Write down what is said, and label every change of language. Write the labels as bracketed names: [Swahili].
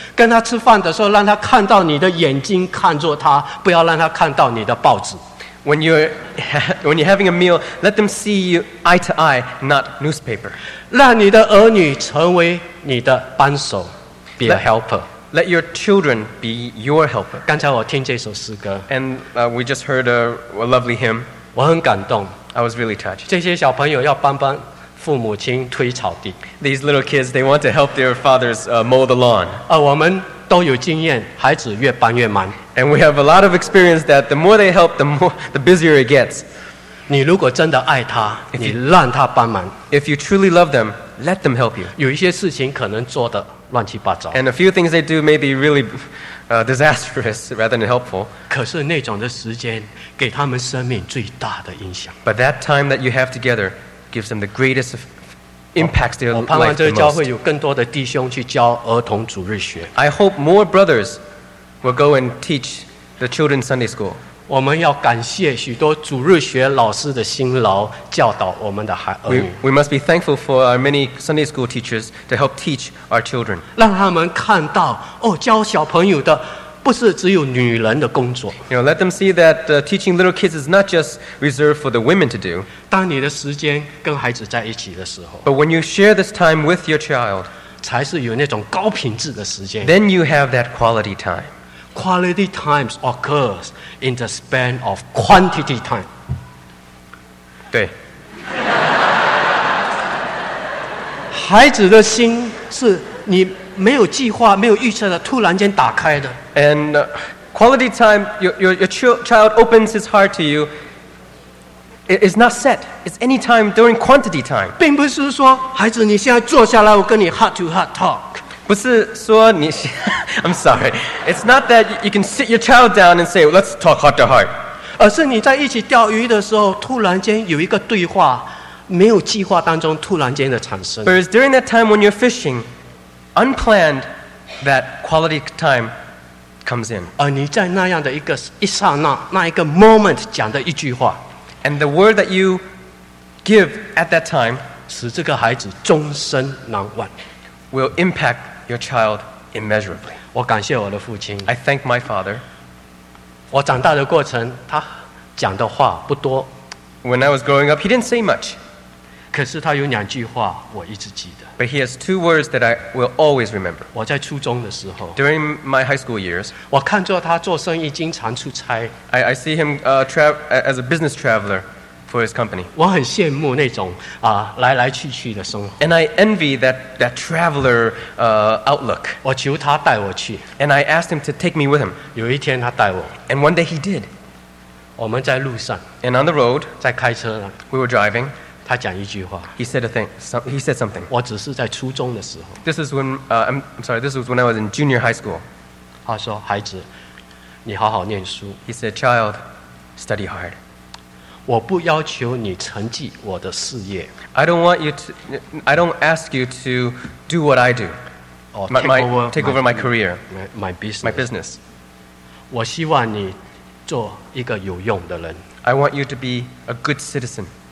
[Chinese] 跟他吃饭的时候，让他看到你的眼睛看着他，不要让他看到你的报纸。 [English] When you're having a meal, let them see you eye to eye, not newspaper. [Chinese] 让你的儿女成为你的帮手。 [English] Be a helper. Let your children be your helper. [Chinese] 刚才我听这首诗歌。 [English] And we just heard a lovely hymn. [Chinese] 我很感动。 [English] I was really touched. [Chinese] 这些小朋友要帮帮父母亲推草地。 [English] These little kids, they want to help their fathers mow the lawn. [Chinese] 我们都有经验，孩子越帮越忙。 [English] And we have a lot of experience that the more they help, the busier it gets. [Chinese] 你如果真的爱他，你让他帮忙。 [English] If you truly love them, let them help you. [Chinese] 有一些事情可能做的乱七八糟。 [English] And a few things they do may be really disastrous rather than helpful. [Chinese] 可是那种的时间给他们生命最大的影响。 [English] But that time that you have together gives them the greatest impact their life the most. [Chinese] 我盼望这个教会有更多的弟兄去教儿童主日学。 [English] I hope more brothers will go and teach the children's Sunday school. [Chinese] 我们要感谢许多主日学老师的辛劳教导我们的儿女。 [English] We must be thankful for our many Sunday school teachers to help teach our children. [Chinese] 让他们看到哦，教小朋友的不是只有女人的工作。 [English] You know, let them see that teaching little kids is not just reserved for the women to do. [Chinese] 当你的时间跟孩子在一起的时候。 [English] But when you share this time with your child, [Chinese] 才是有那种高品质的时间。 [English] Then you have that quality time. Quality times occurs in the span of quantity time. [Chinese] 对。孩子的心是你没有计划、没有预测的，突然间打开的。 [English] And quality time, your child opens his heart to you. It is not set. It's any time during quantity time. [Chinese] 并不是说孩子，你现在坐下来，我跟你 [English] heart to heart talk. [Chinese] 不是说你 [English] I'm sorry. It's not that you can sit your child down and say, let's talk heart to heart. [Chinese] 而是你在一起钓鱼的时候，突然间有一个对话，没有计划当中突然间的产生。 [English] But it's during that time when you're fishing, unplanned, that quality time comes in. [Chinese] 而你在那样的一个一刹那，那一个 moment 讲的一句话， [English] and the word that you give at that time [Chinese] 使这个孩子终身难忘， [English] will impact your child immeasurably. [Chinese] 我感谢我的父亲。 [English] I thank my father. [Chinese] 我长大的过程，他讲的话不多。 [English] When I was growing up, he didn't say much. [Chinese] 可是他有两句话我一直记得。 [English] But he has two words that I will always remember. [Chinese] 我在初中的时候， [English] during my high school years, [Chinese] 我看着他做生意经常出差。 [English] I see him as a business traveler for his company. [Chinese] 我很羡慕那种, 来来去去的生活。 [English] And I envy that traveler outlook. [Chinese] 我求他带我去。 [English] And I asked him to take me with him. [Chinese] 有一天他带我。 [English] And one day he did. [Chinese] 我们在路上, [English] and on the road, [Chinese] 在开车呢, [English] we were driving. [Chinese] 他讲一句话, [English] he said a thing. He said something. [Chinese] 我只是在初中的时候, [English] this is when this was when I was in junior high school. [Chinese] 他说, 孩子, 你好好念书。 [English] He said, child, study hard. [Chinese] 我不要求你成绩我的事业。 [English] I don't ask you to do what I do. Oh, take over my career. My business. [Chinese] 我希望你 [English] I want you to be a good citizen.